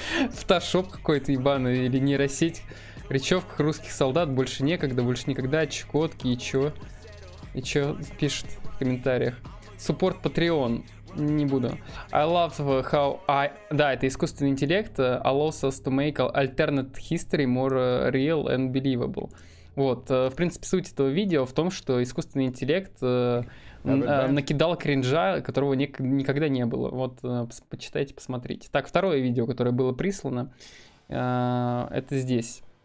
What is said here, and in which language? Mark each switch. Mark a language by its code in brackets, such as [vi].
[ru] Фотошоп какой-то ебаный или нейросеть. Речевка русских солдат. Больше некогда, больше никогда. Чукотки, и чё? И чё пишет в комментариях? [en] Support Patreon. [ru] Не буду. [en] I love how I... [ru] Да, это искусственный интеллект. [en] Allows us to make alternate history more real and believable. [ru] Вот. В принципе, суть этого видео в том, что искусственный интеллект накидал кринжа, которого никогда не было. Вот, почитайте, посмотрите. Так, второе видео, которое было прислано, это здесь.